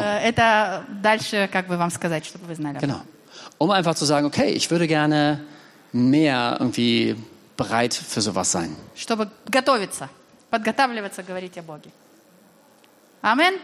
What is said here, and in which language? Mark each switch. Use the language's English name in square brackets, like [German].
[Russian] Это дальше как бы вам сказать, чтобы вы знали. [German] Genau. Um einfach zu sagen, okay, ich würde gerne mehr irgendwie bereit für sowas sein. [Russian] Чтобы готовиться, подготавливаться, говорить о Боге. Amen.